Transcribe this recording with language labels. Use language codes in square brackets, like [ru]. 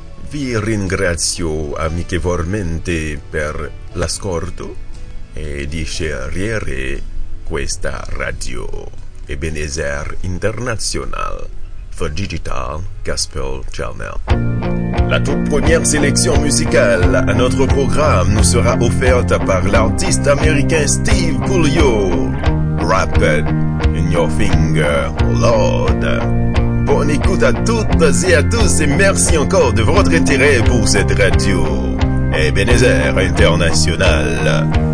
[it] Vi ringrazio amichevolmente per l'ascolto e di scegliere questa radio Ebenezer International for Digital Gospel Channel. [fr] La toute première sélection musicale à notre programme nous sera offerte par l'artiste américain Steve Puglio. [en] Wrap it in your finger, Lord. [fr] Bonne écoute à toutes et à tous et merci encore de votre intérêt pour cette radio Ebenezer International.